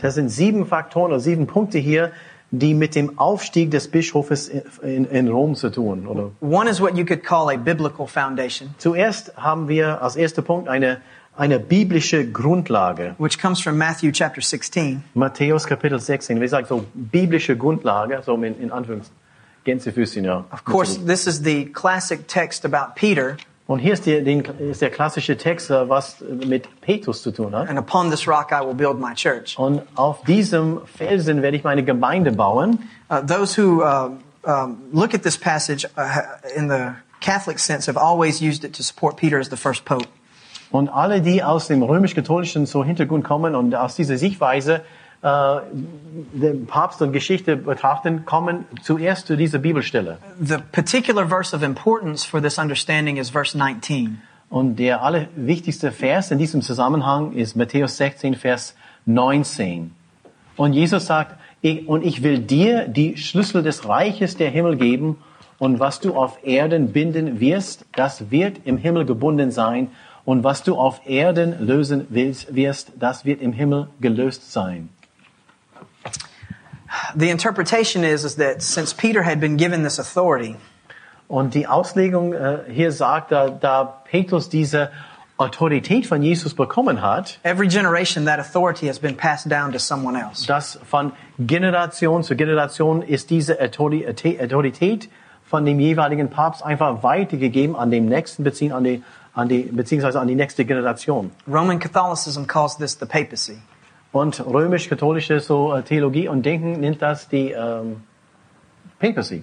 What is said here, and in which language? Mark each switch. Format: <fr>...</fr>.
<de>Das sind sieben Faktoren oder sieben Punkte hier, die mit dem Aufstieg des Bischofes in Rom zu tun. Oder?</de> <en>One is what you could call a biblical foundation.</en> <de>Zuerst haben wir als erster Punkt eine biblische Grundlage,</de> <en>which comes from Matthew chapter 16.</en> <de>Matthäus Kapitel 16. Wie sagt so biblische Grundlage, so in Anführungsgänsefüßchen, ja.</de> <en>Of course, this is the classic text about Peter.</en> <de>Und hier ist der klassische Text, was mit Petrus zu tun hat.</de> <en>And upon this rock I will build my church.</en> <de>Und auf diesem Felsen werde ich meine Gemeinde bauen.</de> <en>Those who look at this passage in the Catholic sense have always used it to support Peter as the first pope.</en> <de>Und alle, die aus dem römisch-katholischen so Hintergrund kommen und aus dieser Sichtweise den Papst und Geschichte betrachten, kommen zuerst zu dieser Bibelstelle.</de> <en>The particular verse of importance for this understanding is verse 19.</en> <de>Und der allerwichtigste Vers in diesem Zusammenhang ist Matthäus 16, Vers 19. Und Jesus sagt, und ich will dir die Schlüssel des Reiches der Himmel geben, und was du auf Erden binden wirst, das wird im Himmel gebunden sein. Und was du auf Erden lösen wirst, das wird im Himmel gelöst sein.</de> <en>The interpretation is that since Peter had been given this authority,</en> <de>und die Auslegung hier sagt, da Petrus diese Autorität von Jesus bekommen hat,</de> <en>every generation that authority has been passed down to someone else.</en> <de>Dass von Generation zu Generation ist diese Autorität von dem jeweiligen Papst einfach weitergegeben an dem nächsten beziehungsweise an die nächste Generation.</de> <en>Roman Catholicism calls this the papacy.</en> <de>Und römisch-katholische so Theologie und Denken nennt das die papacy.</de>